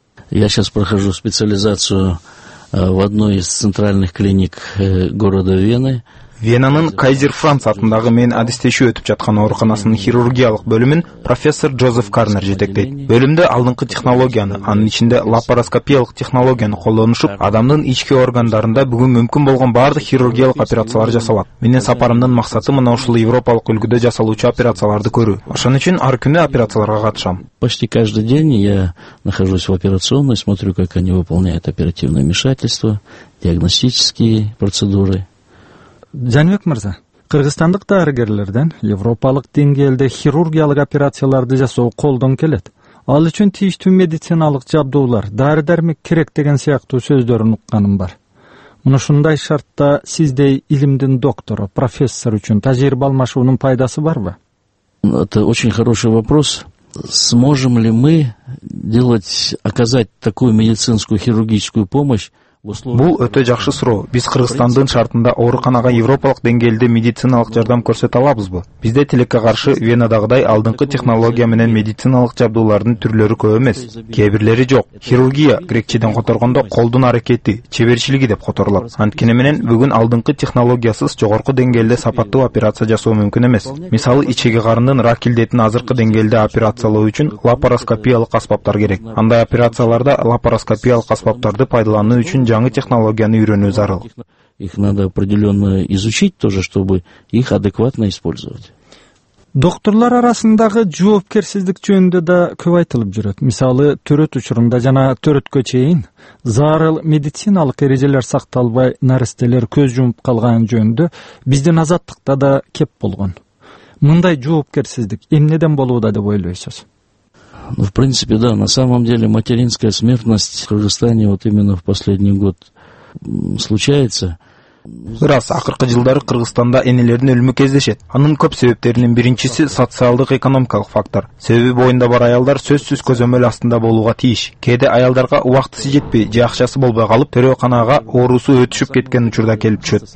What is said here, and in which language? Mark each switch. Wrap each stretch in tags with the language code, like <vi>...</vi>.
<ru>Я сейчас прохожу специализацию в одной из центральных клиник города Вены.</ru> <ky>Венанын Кайзер Франц атындагы мен адистешүү өтүп жаткан ооруканасынын хирургиялык бөлүмүн профессор Джозеф Карнер жетектейт. Бөлүмдө алдыңкы технологияны, анын ичинде лапароскопиялык технологияны колдонушуп, адамдын ички органдарында бүгүн мүмкүн болгон бардык хирургиялык операциялар жасалат. Менин сапарымдын максаты мына ушул европалык үлгүдө жасалуучу операцияларды көрүү. Ошон үчүн ар күнү операцияларга катышам.</ky> <ru>Почти каждый день я нахожусь в операционной, смотрю, как они выполняют оперативное вмешательство, диагностические процедуры.</ru> <ky>Жанбек мырза, кыргызстандык дарыгерлерден европалык деңгээлде хирургиялык операцияларды жасоо колдон келет. Ал үчүн тийиштүү медициналык жабдуулар, дары-дармек керек деген сыяктуу сөздөрүн укканым бар. Мына ушундай шартта сиздей илимдин доктору, профессор үчүн тажрыйба алмашуунун пайдасы барбы?</ky> <ru>Это очень хороший вопрос. Сможем ли мы оказать такую медицинскую хирургическую помощь?</ru> <ky>Бул өтө жакшы суроо. Биз Кыргызстандын шартында ооруканага европалык деңгээлде медициналык жардам көрсөтө алабызбы? Бизде тилекке каршы Венадагыдай алдыңкы технология менен медициналык жабдуулардын түрлөрү көп эмес. Кээ бирлери жок. Хирургия грекчеден которгондо колдун аракети, чеберчилиги деп которулат. Анткени менен бүгүн алдыңкы технологиясыз жогорку деңгээлде сапаттуу операция жасоо мүмкүн эмес. Мисалы, ичеги карындын рак илдетин азыркы деңгээлде операциялоо үчүн лапароскопиялык аспаптар керек. Андай операцияларда лапароскопиялык аспаптарды пайдалануу үчүн жаңы технологияны үйрөнүү зарыл.</ky> <ru>Их надо определённо изучить тоже, чтобы их адекватно использовать.</ru> <ky>Докторлар арасындагы жоопкерсиздик жөнүндө да көп айтылып жүрөт. Мисалы, төрөт учурунда жана төрөткө чейин зарыл медициналык эрежелер сакталбай наристелер көз жумуп калган жөнүндө биздин азаттыкта да кеп болгон. Мындай жоопкерсиздик эмнеден болууда деп ойлойсуз?</ky> <ru>В принципе, да, на самом деле материнская смертность в Кыргызстане вот именно в последний год случается.</ru> <ky>Рас, акыркы жылдары Кыргызстанда энелердин өлүмү кездешет. Анын көп себептеринин биринчиси социалдык экономикалык фактор. Себеби боюнда бар аялдар сөзсүз көзөмөл астында болууга тийиш. Кээде аялдарга убактысы жетпей, же акчасы болбой калып, төрөканага оорусу өтүшүп кеткен учурда келип түшөт.</ky>